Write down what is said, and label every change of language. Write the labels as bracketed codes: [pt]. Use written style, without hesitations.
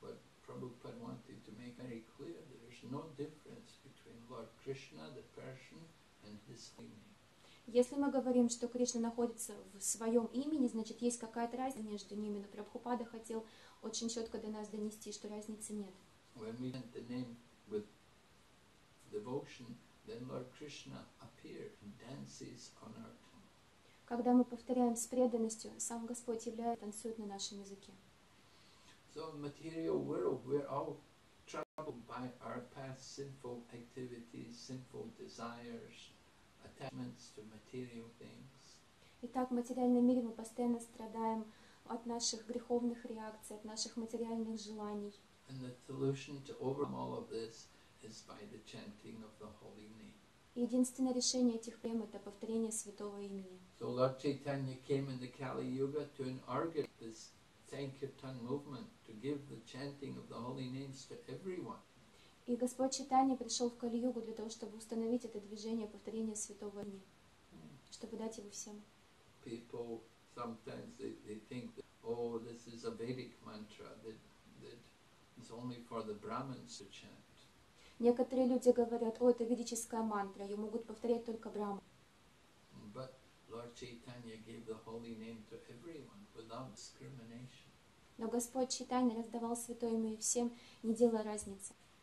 [en] But Prabhupada wanted to make very clear that there's no difference between Lord Krishna, the person, and his name. [ru] Если мы говорим, что Кришна находится в своем имени, значит, есть какая-то разница между ними. Но Прабхупада хотел очень четко до нас донести, что разницы нет. [en] When we chant the name with devotion, then Lord Krishna appears and dances on our tongue. [ru] Когда мы повторяем с преданностью, сам Господь является танцует на нашем языке. [en] So in material world, we're all troubled by our past sinful activities, sinful desires, attachments to material things. [ru] Итак, в материальном мире мы постоянно страдаем от наших греховных реакций, от наших материальных желаний. [en] And the solution to overcome all of this is by the chanting of the holy name. [ru] Единственное решение этих проблем это повторение святого имени. [en] So Lord Chaitanya came in the Kali Yuga to inaugurate this Sankirtan movement, to give the chanting of the holy names to everyone. [ru] И Господь Чайтанья пришел в Кали-Югу для того, чтобы установить это движение повторения святого имени, чтобы дать его всем. [en] People sometimes they think that, oh, this is a Vedic mantra that is only for the Brahmins to chant. [ru] Некоторые люди говорят, о, это ведическая мантра, ее могут повторять только брахманы. [en] But Lord Chaitanya gave the holy name to everyone without discrimination. [ru] Но Господь Чайтанья раздавал святое имя всем, не делая разницы.